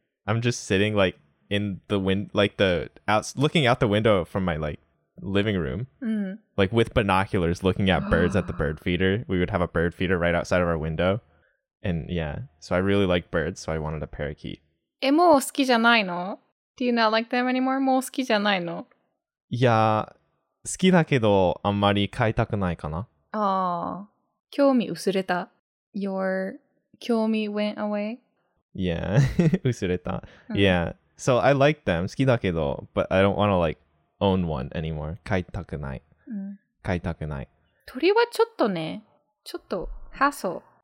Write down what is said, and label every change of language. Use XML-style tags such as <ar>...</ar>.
<en>I'm just sitting like in the wind, like the out, looking out the window from my like living room. Like with binoculars looking at birds at the bird feeder. We would have a bird feeder right outside of our window. And yeah, so I really like birds, so I wanted a parakeet.</en> <ja>もう好きじゃないの?</ja> <en>Do you not like them anymore?</en> <ja>もう好きじゃないの? いや、好きだけどあんまり飼いたくないかな。ああ、興味薄れた。</ja> <en>Your 興味 went away?</en> <ja>Yeah, 薄れた。</ja> <en>Yeah, so I like them,</en> <ja>好きだけど,</ja> <en>but I don't want to like own one anymore.</en> <ja>飼いたくない。飼いたくない。鳥はちょっとね、ちょっと、ハッスル。</ja>